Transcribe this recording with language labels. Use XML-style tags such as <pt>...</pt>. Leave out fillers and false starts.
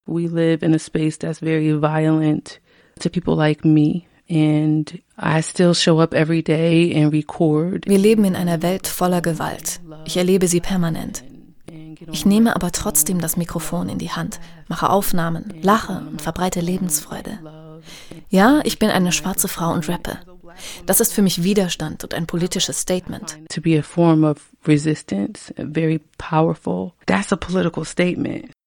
<en>We live in a space that's very violent to people like me. And I still show up every day and record.</en> <de>Wir leben in einer Welt voller Gewalt. Ich erlebe sie permanent. Ich nehme aber trotzdem das Mikrofon in die Hand, mache Aufnahmen, lache und verbreite Lebensfreude. Ja, ich bin eine schwarze Frau und rappe. Das ist für mich Widerstand und ein politisches Statement.</de> <en>To be a form of resistance, very powerful. That's a political statement.</en>